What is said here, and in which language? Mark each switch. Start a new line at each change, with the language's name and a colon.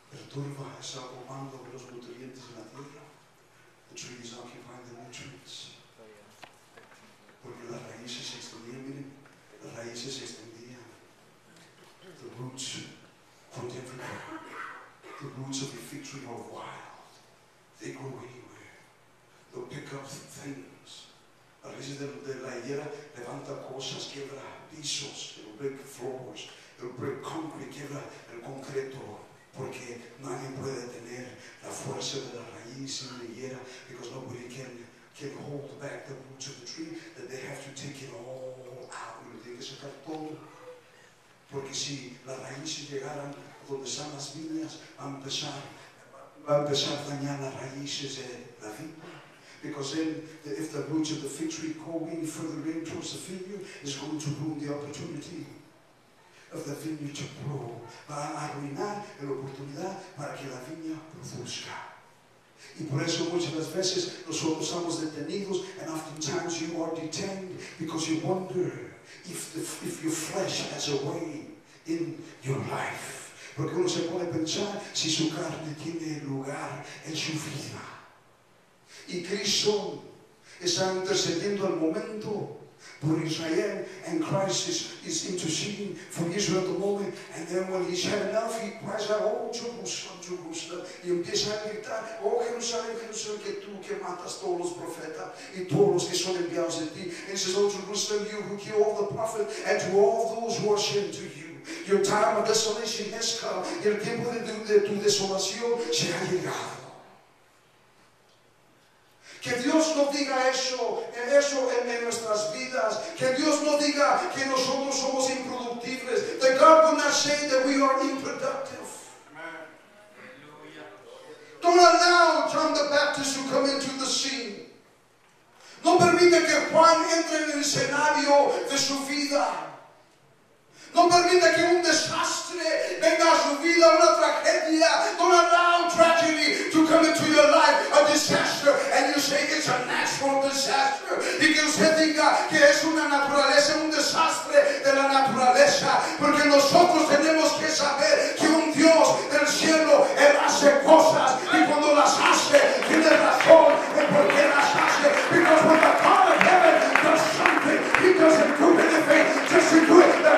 Spanish: turba está ocupando los nutrientes de la tierra.
English: The tree is occupying the nutrients.
Spanish: Porque las raíces se extendían, miren, las raíces se extendían.
English: The roots from everywhere. The roots of the fig tree are wild. They grow anywhere. They'll pick up things.
Spanish: Las raíces de la higuera levanta cosas, quiebra pisos,
English: it'll break floors, it'll break concrete,
Spanish: quiebra el concreto, porque nadie puede tener la fuerza de la raíz en la higuera,
English: because nobody can hold back the roots of the tree, that they have to take it all out,
Spanish: lo tiene que sacar todo, porque si las raíces llegaran a donde están las viñas, va a empezar a dañar las raíces de la viña.
English: Because then, if the roots of the fig tree go any further in towards the vineyard, it's going to ruin the opportunity of the vineyard to grow.
Spanish: Va a arruinar la oportunidad para que la viña produzca. Y por eso muchas veces nosotros estamos detenidos,
English: and oftentimes you are detained because you wonder if your flesh has a way in your life.
Spanish: Porque uno se puede pensar si su carne tiene lugar en su vida.
English: Y Cristo está intercediendo al momento por Israel, and Christ is interceding for Israel at the moment, and then when he's had enough, he cries out, oh, Jerusalem, Jerusalem,
Spanish: y empieza a gritar, oh, Jerusalén, Jerusalén, que tú que matas todos los profetas y todos los que son enviados de ti,
English: and he says, oh, Jerusalem, you who kill all the prophets, and to all those who are sent to you, your time of desolation has come,
Spanish: y el tiempo de tu desolación se ha llegado. Que Dios no diga eso en nuestras vidas. Que Dios no diga que nosotros somos improductibles.
English: That God will not say that we are improductive. Amen. Don't allow John the Baptist to come into the scene.
Spanish: No permite que Juan entre en el escenario de su vida. No permite que un desastre venga a su vida, una tragedia.
English: Don't allow tragedy to come into your life, a disaster, and you say it's a natural disaster.
Spanish: Y que usted diga que es una naturaleza, un desastre de la naturaleza. Porque nosotros tenemos que saber que un Dios del cielo, Él hace cosas. Y cuando las hace, tiene razón en por qué las hace.
English: Because when the God of heaven does something, He doesn't do anything just to do it.